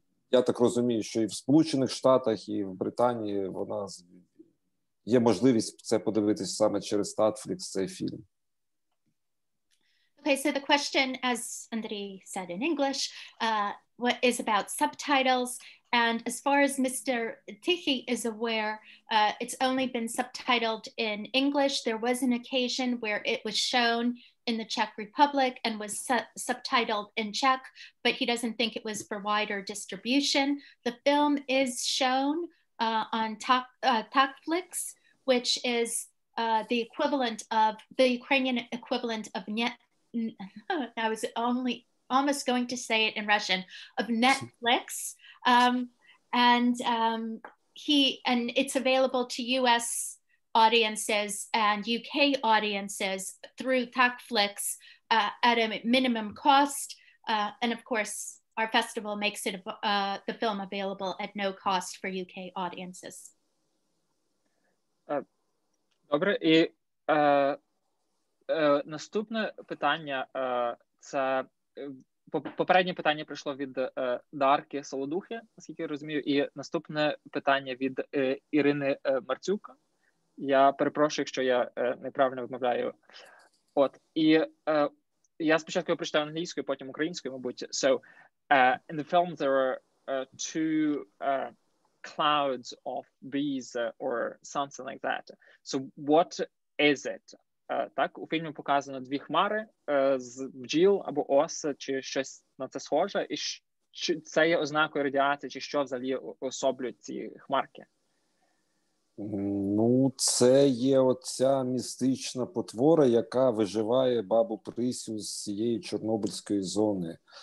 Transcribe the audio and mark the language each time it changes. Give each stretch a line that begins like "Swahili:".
Ukrainian: Я так розумію, що і в Сполучених Штатах, і в Британії вона є можливість це подивитись саме через Netflix цей фільм.
English: Okay, so the question, as Andrei said in English, what is about subtitles? And as far as Mr. Tykhyy is aware, it's only been subtitled in English. There was an occasion where it was shown in the Czech Republic and was subtitled in Czech, but he doesn't think it was for wider distribution. The film is shown on Netflix, which is the equivalent of the Ukrainian equivalent of I was almost going to say it in Russian, of Netflix. And it's available to US audiences and UK audiences through Netflix at a minimum cost. And of course, our festival makes it the film available at no cost for UK audiences.
Ukrainian: Добре. І наступне питання це попереднє питання прийшло від Дарки Солодухи, наскільки я розумію, і наступне питання від Ірини Марцюка. Я перепрошую, якщо я неправильно вимовляю. От, і я спочатку його прочитаю англійською, потім українською, мабуть.
English: So, in the film there are two clouds of bees or something like that. So, what is it?
Ukrainian: Так, у фільмі показано дві хмари з бджіл або ос, чи щось на це схоже, і чи це є ознакою радіації, чи що взагалі особлюють ці хмарки? Ну, це є оця містична потвора, яка виживає бабу Присю з цієї Чорнобильської зони.